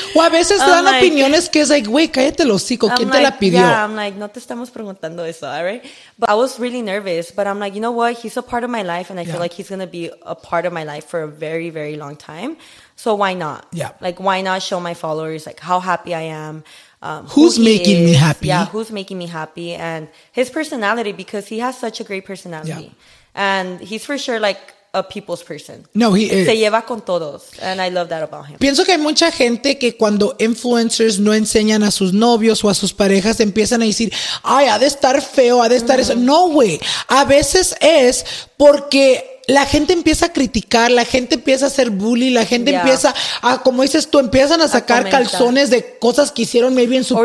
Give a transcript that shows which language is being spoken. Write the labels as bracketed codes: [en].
[es] O a veces te dan like, opiniones que es like, güey, cállate el hocico, ¿quién like, te la pidió? Yeah, I'm like, no te estamos preguntando eso, all right? [en] But I was really nervous, but I'm like, you know what? He's a part of my life, and I, yeah, feel like he's going to be a part of my life for a very, very long time. So why not? Yeah. Like, why not show my followers like how happy I am? Who's making me happy? Yeah, who's making me happy? And his personality, because he has such a great personality. Yeah. And he's for sure like a people's person. No, he is. Se lleva con todos. And I love that about him. [es] Pienso que hay mucha gente que cuando influencers no enseñan a sus novios o a sus parejas, empiezan a decir, ay, ha de estar feo, ha de estar, mm-hmm, eso. No, güey. A veces es porque la gente empieza a criticar, la gente empieza a hacer bully, la gente, yeah, empieza a, como dices tú, empiezan a sacar calzones de cosas que hicieron maybe en su